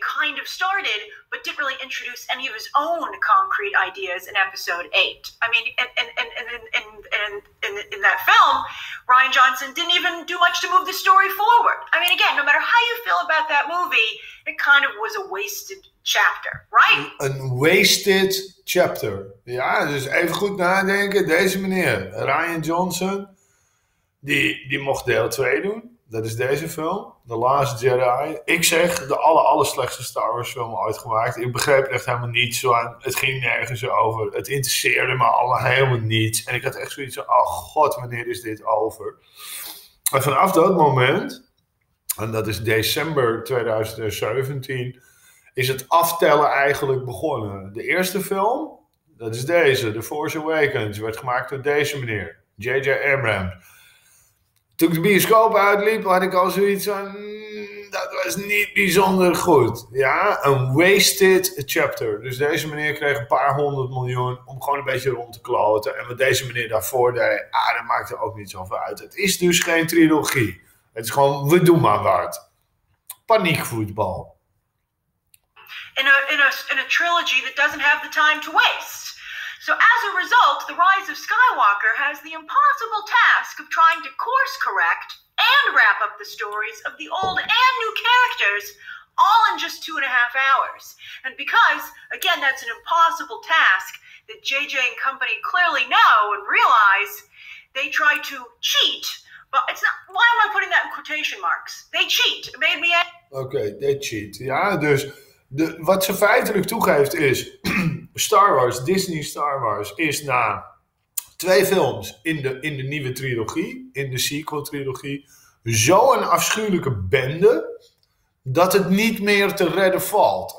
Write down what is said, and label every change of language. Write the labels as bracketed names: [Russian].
[English] kind of started, but didn't really introduce any of his own concrete ideas in Episode 8. I mean, in that film, Rian Johnson didn't even do much to move the story forward. I mean, again, no matter how you feel about that movie, it kind of was a wasted chapter, right? A wasted chapter. [Dutch] Ja, dus even goed nadenken. Deze meneer, Rian Johnson, die mocht deel 2 doen. Dat is deze film, The Last Jedi. Ik zeg, de aller slechtste Star Wars film ooit gemaakt. Ik begreep echt helemaal niets. Het ging nergens over. Het interesseerde me allemaal helemaal niets. En ik had echt zoiets van, oh god, wanneer is dit over? En vanaf dat moment, en dat is december 2017, is het aftellen eigenlijk begonnen. De eerste film, dat is deze, The Force Awakens, werd gemaakt door deze meneer, J.J. Abrams. Toen ik de bioscoop uitliep, had ik al zoiets van, dat was niet bijzonder goed. Ja, een [English] wasted chapter. [Dutch] Dus deze meneer kreeg een paar honderd miljoen om gewoon een beetje rond te kloten. En wat deze meneer daarvoor deed, dat maakte ook niet zoveel uit. Het is dus geen trilogie. Het is gewoon, we doen maar wat. Paniekvoetbal. [English] In a trilogy that doesn't have the time to waste. So as a result, the rise of Skywalker has the impossible task of trying to course correct and wrap up the stories of the old and new characters all in just 2.5 hours. And because, again, that's an impossible task that J.J. and company clearly know and realize, they try to cheat. But it's not, why am I putting that in quotation marks? They cheat. It made me... Okay, they cheat. [Dutch] Ja, dus wat ze feitelijk toegeeft is... Star Wars, Disney Star Wars, is na 2 films in de nieuwe trilogie, in de sequel trilogie, zo'n afschuwelijke bende, dat het niet meer te redden valt.